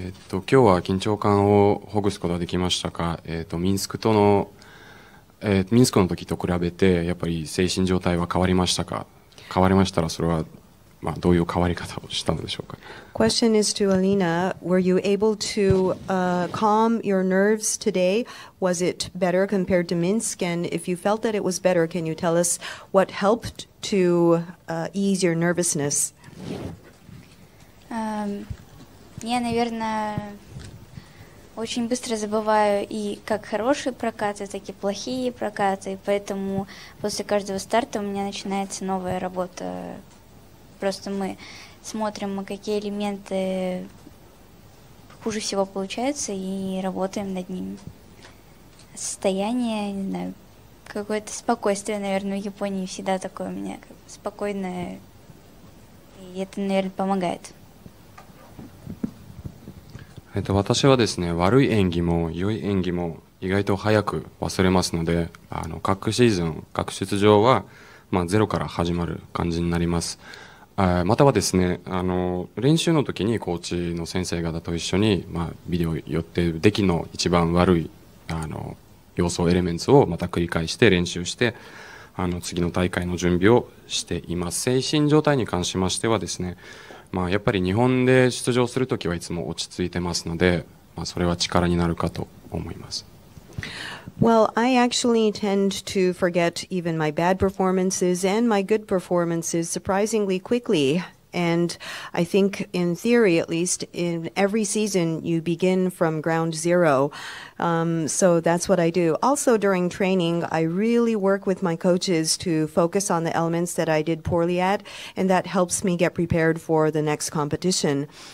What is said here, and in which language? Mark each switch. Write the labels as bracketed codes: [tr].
[ja] 今日は緊張感をほぐすことができましたか、ミンスクとの、ミンスクの時と比べてやっぱり精神状態は変わりましたか変わりましたらそれはまあ、どういう変わり方をしたのでしょうか。 [en] Question is to Alina. Were you able to、calm your nerves today? Was it better compared to Minsk? And if you felt that it was better, can you tell us what helped to、ease your nervousness? [ru] Я, наверное, очень быстро забываю и как хорошие прокаты, так и плохие прокаты. Поэтому после каждого старта у меня начинается новая работа. Просто мы смотрим, какие элементы хуже всего получаются, и работаем над ними. Состояние, не знаю, какое-то спокойствие, наверное, в Японии всегда такое у меня, спокойное. И это, наверное, помогает. [ja] Это, 私はですね、悪い演技も良い演技も意外と早く忘れますので、あの各シーズン、各出場は、まあ、ゼロから始まる感じになります。またはですね、あの練習の時にコーチの先生方と一緒に、まあ、ビデオよって出来の一番悪いあの要素エレメンツをまた繰り返して練習してあの次の大会の準備をしています。精神状態に関しましてはですね、まあ、やっぱり日本で出場する時はいつも落ち着いてますので、まあ、それは力になるかと思います。 [en] Well, I actually tend to forget even my bad performances and my good performances surprisingly quickly. And I think in theory, at least, in every season, you begin from ground zero. So that's what I do. Also, during training, I really work with my coaches to focus on the elements that I did poorly at, and that helps me get prepared for the next competition.